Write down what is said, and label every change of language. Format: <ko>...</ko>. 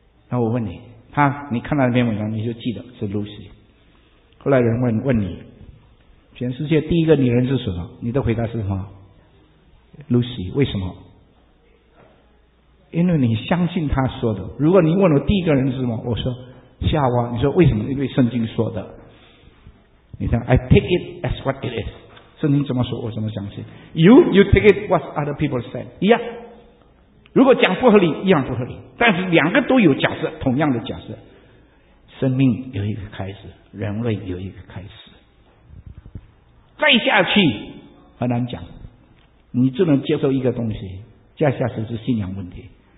<zh>那我问你，你看到那篇文章你就记得是 Lucy。后来人问你全世界第一个女人是什么，你的回答是什么？ Lucy。 为什么？因为你相信他说的。如果你问我第一个人是什么，我说夏娃。你说为什么？因为圣经说的。你讲</zh> <en>I take it as what it is，</en> <zh>圣经怎么说我怎么相信。</zh> <en>You take it what other people say，</en> <zh>一样。如果讲不合理，一样不合理。但是两个都有假设，同样的假设，生命有一个开始，人类有一个开始，再下去很难讲。你只能接受一个东西，再下去是信仰问题。</zh>